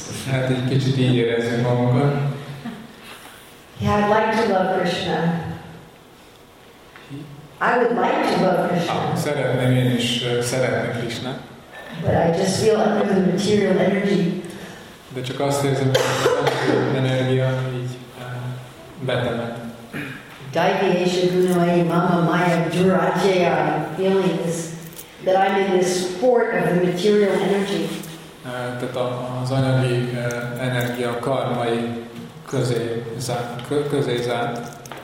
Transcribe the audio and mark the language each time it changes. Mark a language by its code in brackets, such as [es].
[hu] Hát egy kicsit így érezzük magunkat. [en] Yeah, I'd like to love Krishna. I would like to love Krishna. [hu] Szeretném én is szeretni Krishna. [en] But I just feel under the material energy. [hu] De csak azt érzem, hogy az energia így betemet. [sa] Daivyesha gunoi mama maya durajaya. [en] I'm feeling this, that I'm in this sport of the material energy. [hu] Tehát az anyagi energia karmai közé zárt.